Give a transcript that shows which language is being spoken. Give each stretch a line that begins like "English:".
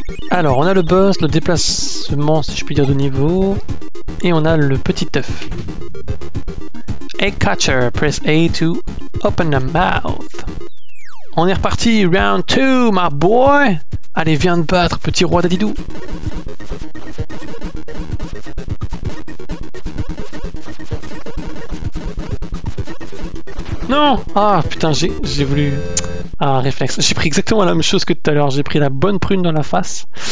French: Alors on a le boss, le déplacement si je puis dire de niveau, et on a le petit œuf.
English: Egg catcher, press A to open the mouth.
French: On est reparti, round 2,
English: my boy.
French: Allez, viens te battre, petit roi d'Adidou. Non! Ah putain, j'ai voulu. Ah, réflexe. J'ai pris exactement la même chose que tout à l'heure. J'ai pris la bonne prune dans la face.